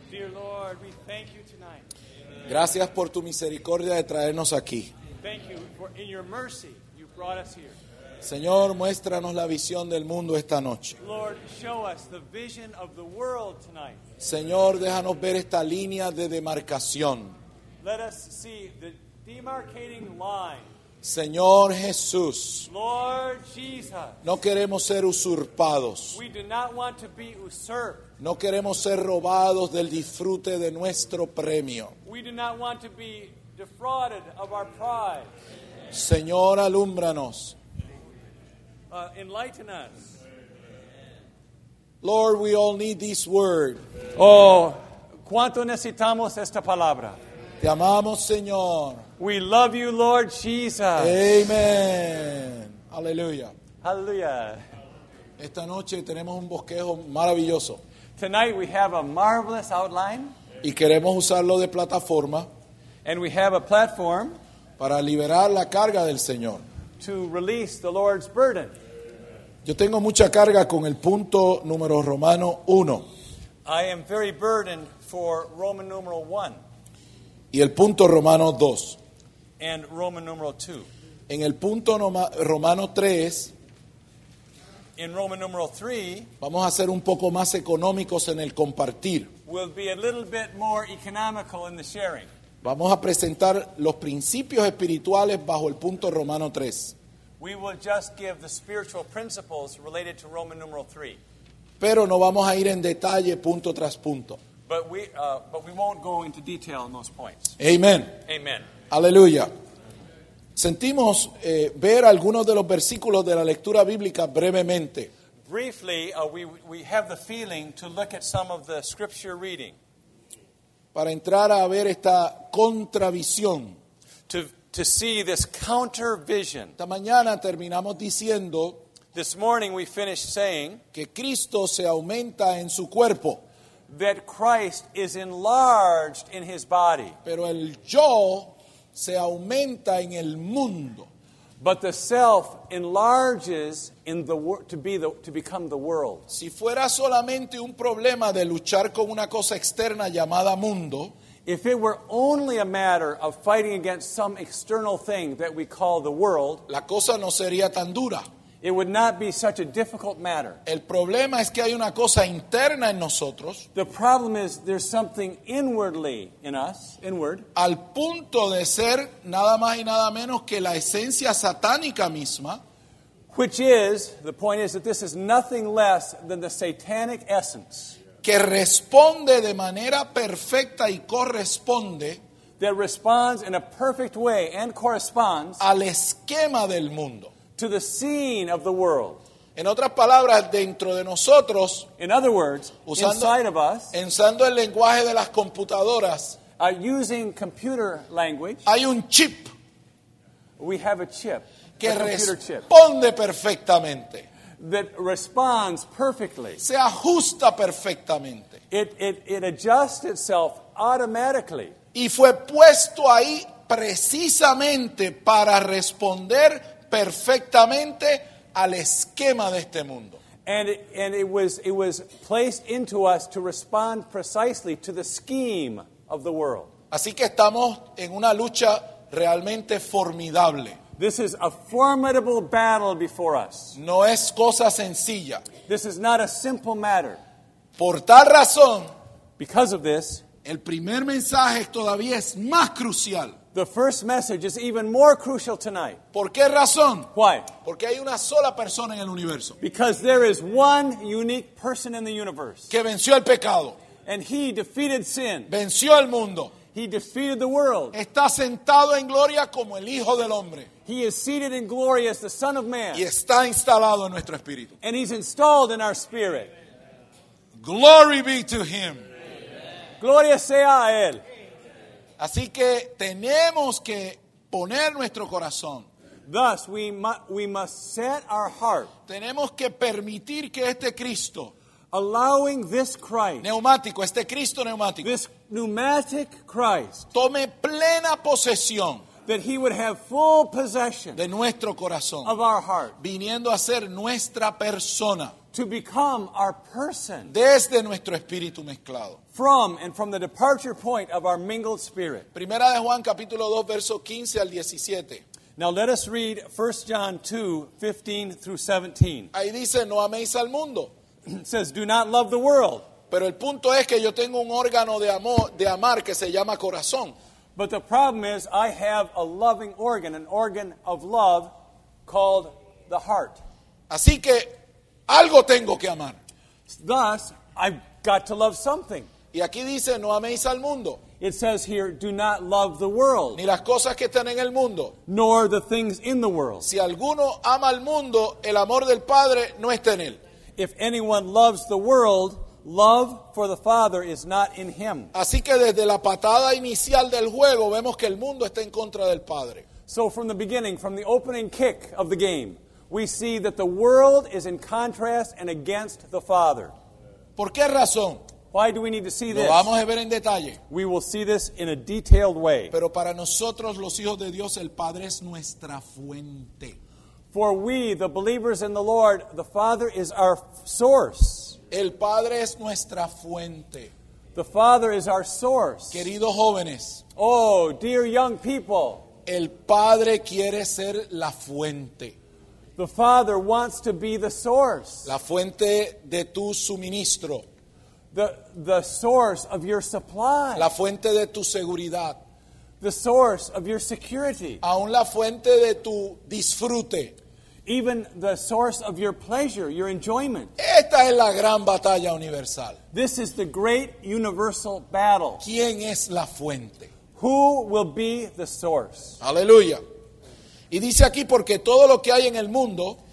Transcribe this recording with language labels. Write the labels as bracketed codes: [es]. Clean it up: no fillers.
[en] Dear Lord, we thank you tonight. [es] Gracias por tu misericordia de traernos aquí. [en] Thank you for, in your mercy, you brought us here. [es] Señor, muéstranos la visión del mundo esta noche. [en] Lord, show us the vision of the world tonight. [es] Señor, déjanos ver esta línea de demarcación. [en] Let us see the demarcating line. [es] Señor Jesús, [en] Lord Jesus, [es] no queremos ser usurpados. [en] We do not want to be usurped. [es] No queremos ser robados del disfrute de nuestro premio. [en] We do not want to be defrauded of our prize. [es] Señor, alúmbranos. [en] Enlighten us. Lord, we all need this word. [es] Oh, cuánto necesitamos esta palabra. Te amamos, Señor. [en] We love you, Lord Jesus. [es] Amen. Aleluya. Aleluya. Esta noche tenemos un bosquejo maravilloso. [en] Tonight we have a marvelous outline. [es] Y queremos usarlo de plataforma. [en] And we have a platform. [es] Para liberar la carga del Señor. [en] To release the Lord's burden. [es] Yo tengo mucha carga con el punto número romano 1. [en] I am very burdened for Roman numeral 1. [es] Y el punto romano 2. [en] And Roman numeral 2. [es] En el punto romano 3. [en] In Roman numeral 3. [es] Vamos a ser un poco más económicos en el compartir. [en] We'll be a little bit more economical in the sharing. [es] Vamos a presentar los principios espirituales bajo el punto romano 3. [en] We will just give the spiritual principles related to Roman numeral 3. [es] Pero no vamos a ir en detalle punto tras punto. [en] But we won't go into detail on those points. Amen. Amen. [es] Aleluya. Sentimos ver algunos de los versículos de la lectura bíblica brevemente. [en] Briefly, we have the feeling to look at some of the scripture reading. [es] Para entrar a ver esta contravisión. [en] To see this counter vision. [es] Esta mañana terminamos diciendo. [en] This morning we finished saying. [es] Que Cristo se aumenta en su cuerpo. [en] That Christ is enlarged in his body. [es] Pero el yo se aumenta en el mundo. [en] But the self enlarges in the to become the world. [es] Si fuera solamente un problema de luchar con una cosa externa llamada mundo. [en] If it were only a matter of fighting against some external thing that we call the world. [es] La cosa no sería tan dura. [en] It would not be such a difficult matter. [es] El problema es que hay una cosa interna en nosotros. [en] The problem is there's something inwardly in us, inward. [es] Al punto de ser nada más y nada menos que la esencia satánica misma. [en] Which is, the point is that this is nothing less than the satanic essence. [es] Que responde de manera perfecta y corresponde. [en] That responds in a perfect way and corresponds. [es] Al esquema del mundo. [en] To the scene of the world. [es] En otras palabras, dentro de nosotros, [en] in other words, inside of us, [es] usando el lenguaje de las computadoras, [en] using computer language, [es] hay un chip. [en] We have a chip. [es] Que a responde [en] chip, [es] perfectamente. [en] That responds perfectly. [es] Se ajusta perfectamente. [en] It adjusts itself automatically. [es] Y fue puesto ahí precisamente para responder perfectamente al esquema de este mundo. [en] And it was placed into us to respond precisely to the scheme of the world. [es] Así que estamos en una lucha realmente formidable. [en] This is a formidable battle before us. [es] No es cosa sencilla. [en] This is not a simple matter. [es] Por tal razón, [en] because of this, [es] el primer mensaje todavía es más crucial. [en] The first message is even more crucial tonight. [es] ¿Por qué razón? [en] Why? [es] Porque hay una sola persona en el universo. [en] Because there is one unique person in the universe. [es] Que venció el pecado. [en] And he defeated sin. [es] Venció el mundo. [en] He defeated the world. [es] Está sentado en gloria como el Hijo del Hombre. [en] He is seated in glory as the Son of Man. [es] Y está instalado en nuestro espíritu. [en] And he's installed in our spirit. Glory be to him. [es] Amen. Gloria sea a él. Así que tenemos que poner nuestro corazón. [en] Thus, we must set our heart. [es] Tenemos que permitir que este Cristo. [en] Allowing this Christ. [es] Neumático, este Cristo neumático. [en] This pneumatic Christ. [es] Tome plena posesión. [en] That he would have full possession. [es] De nuestro corazón. [en] Of our heart. [es] Viniendo a ser nuestra persona. [en] To become our person. [es] Desde nuestro espíritu mezclado. [en] from and from the departure point of our mingled spirit. [es] Primera de Juan capítulo 2 verso 15 al 17. [en] Now let us read 1 John 2, 15 through 17. [es] Ahí dice, no améis al mundo. [en] It says, do not love the world. [es] Pero el punto es que yo tengo un órgano de amor, de amar, que se llama corazón. [en] But the problem is, I have a loving organ, an organ of love called the heart. [es] Así que, algo tengo que amar. [en] Thus, I've got to love something. [es] Y aquí dice, no améis al mundo. [en] It says here, do not love the world. [es] Ni las cosas que están en el mundo. [en] Nor the things in the world. [es] Si alguno ama al mundo, el amor del Padre no está en él. [en] If anyone loves the world, love for the Father is not in him. [es] Así que desde la patada inicial del juego, vemos que el mundo está en contra del Padre. [en] So from the beginning, from the opening kick of the game, we see that the world is in contrast and against the Father. [es] ¿Por qué razón? [en] Why do we need to see this? [es] Lo vamos a ver en detalle. [en] We will see this in a detailed way. [es] Pero para nosotros, los hijos de Dios, el Padre es nuestra fuente. [en] For we, the believers in the Lord, the Father is our source. [es] El Padre es nuestra fuente. [en] The Father is our source. [es] Queridos jóvenes. [en] Oh, dear young people. [es] El Padre quiere ser la fuente. [en] The Father wants to be the source. [es] La fuente de tu suministro. [en] The source of your supply. [es] La fuente de tu seguridad. [en] The source of your security. [es] Aún la fuente de tu disfrute. [en] Even the source of your pleasure, your enjoyment. [es] Esta es la gran batalla universal. [en] This is the great universal battle. [es] ¿Quién es la fuente? [en] Who will be the source? [es] Aleluya. Y dice aquí, porque todo lo que hay en el mundo.